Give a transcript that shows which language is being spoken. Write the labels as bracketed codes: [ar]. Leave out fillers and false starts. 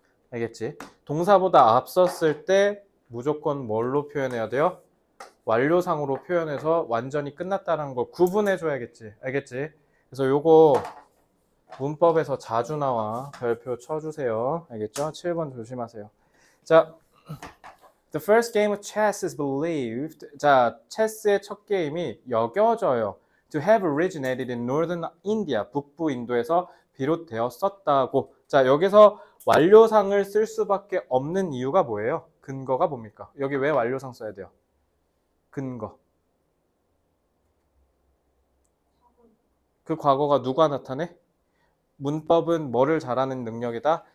[ko] 알겠지? 동사보다 앞섰을 때 무조건 뭘로 표현해야 돼요? 완료상으로 표현해서 완전히 끝났다는 걸 구분해 줘야겠지. 알겠지? 그래서 요거 문법에서 자주 나와. 별표 쳐주세요. 알겠죠? 7번 조심하세요. [en] 자, The first game of chess is believed. [ko] 자, 체스의 첫 게임이 여겨져요. [en] To have originated in northern India. [ko] 북부 인도에서 비롯되었었다고. 자, 여기서 완료상을 쓸 수밖에 없는 이유가 뭐예요? 근거가 뭡니까? 여기 왜 완료상 써야 돼요? 근거. 그 과거가 누가 나타내? 문법은 뭐를 잘하는 능력이다?